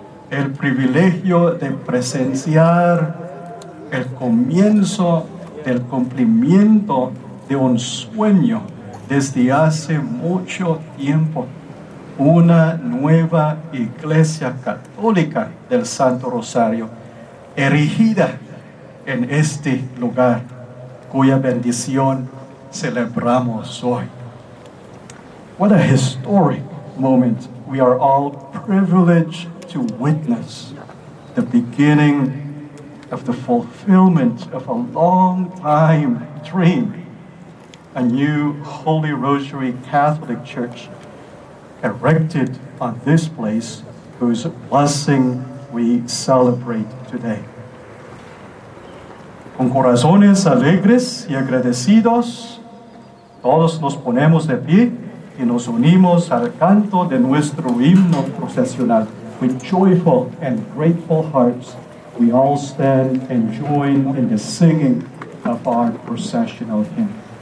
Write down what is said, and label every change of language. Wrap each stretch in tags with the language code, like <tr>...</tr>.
<es>El privilegio de presenciar el comienzo del cumplimiento de un sueño desde hace mucho tiempo, una nueva Iglesia Católica del Santo Rosario, erigida en este lugar, cuya bendición celebramos hoy.</es> <en>What a historic moment we are all privileged to witness. the beginning of the fulfillment of a long-time dream, a new Holy Rosary Catholic Church erected on this place whose blessing we celebrate today.</en> <es>Con corazones alegres y agradecidos, todos nos ponemos de pie y nos unimos al canto de nuestro himno procesional.</es> <en>With joyful and grateful hearts, we all stand and join in the singing of our processional hymn.</en>